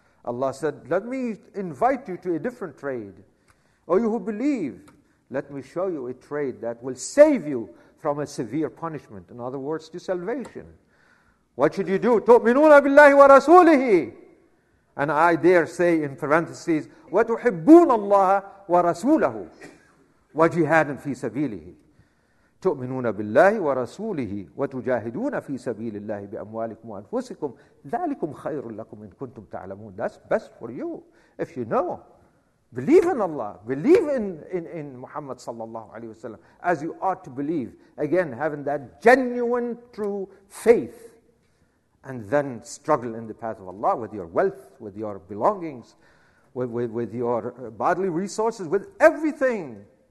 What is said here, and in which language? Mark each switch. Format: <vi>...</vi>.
<en>Allah said, let me invite you to a different trade. Oh, you who believe, let me show you a trade that will save you from a severe punishment. In other words, to salvation. What should you do?</en> <ar>تُؤْمِنُونَ بِاللَّهِ وَرَسُولِهِ.</ar> <en>And I dare say in parentheses,</en> <ar>وَتُحِبُّونَ اللَّهَ وَرَسُولَهُ وَجِهَادٍ فِي سَبِيلِهِ. تؤمنون بالله ورسوله وتجاهدون في سبيل الله بأموالكم وأنفسكم ذلكم خير لكم إن كنتم تعلمون.</ar> <en>That's best for you if you know. Believe in Allah. Believe in Muhammad sallallahu alayhi wasallam as you ought to believe. Again, having that genuine, true faith. And then struggle in the path of Allah with your wealth, with your belongings, with your bodily resources, with everything.</en>